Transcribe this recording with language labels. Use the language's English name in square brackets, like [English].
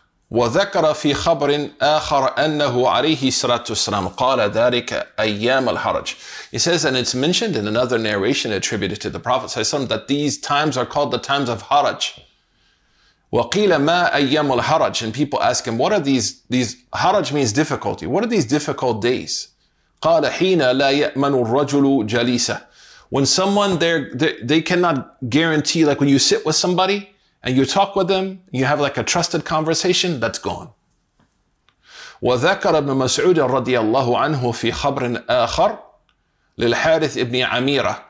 [Arabic] وذكر في خبر آخر أنه عليه الصلاة والسلام قال ذلك أيام الحرج. [English] He says, and it's mentioned in another narration attributed to the Prophet صلى الله عليه وسلم, that these times are called the times of Haraj. [Arabic] وقيل ما أيام الحرج, [English] and people ask him, what are these Haraj means difficulty. What are these difficult days? [Arabic] قال حين لا يأمن الرجل جليسه. [English] When someone they cannot guarantee, like when you sit with somebody and you talk with them, you have like a trusted conversation, that's gone. [Arabic] وذكر ابن مسعود رضي الله عنه في خبر آخر للحارث ابن عميرة.